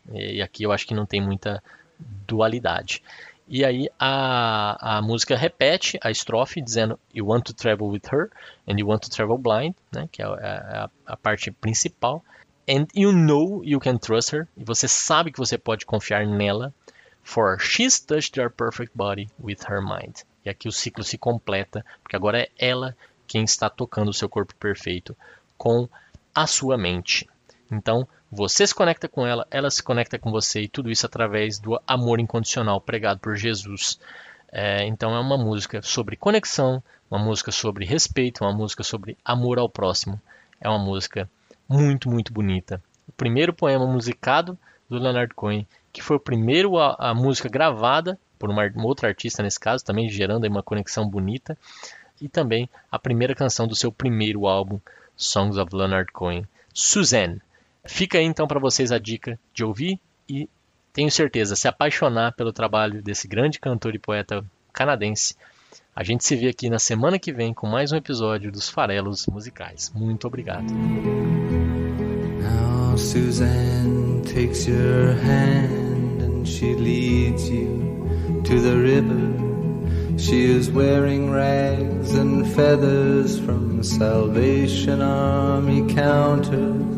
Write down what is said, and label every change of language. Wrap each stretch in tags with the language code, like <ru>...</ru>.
<pt>E aqui eu acho que não tem muita dualidade. E aí a música repete a estrofe dizendo</pt> <en>"You want to travel with her and you want to travel blind",</en> <pt>né, que é a parte principal.</pt> <en>"And you know you can trust her",</en> <pt>e você sabe que você pode confiar nela.</pt> <en>"For she's touched your perfect body with her mind".</en> <pt>E aqui o ciclo se completa, porque agora é ela quem está tocando o seu corpo perfeito com a sua mente. Então, você se conecta com ela, ela se conecta com você, e tudo isso através do amor incondicional pregado por Jesus. Então, é uma música sobre conexão, uma música sobre respeito, uma música sobre amor ao próximo. É uma música muito, muito bonita. O primeiro poema musicado do Leonard Cohen, que foi o primeiro a música gravada por uma outra artista, nesse caso, também gerando aí uma conexão bonita, e também a primeira canção do seu primeiro álbum, Songs of Leonard Cohen, Suzanne. Fica aí então para vocês a dica de ouvir e, tenho certeza, se apaixonar pelo trabalho desse grande cantor e poeta canadense. A gente se vê aqui na semana que vem com mais um episódio dos Farelos Musicais. Muito obrigado.</pt> <en>Now Suzanne takes your hand and she leads you to the river. She is wearing rags and feathers from the Salvation Army counter.</en>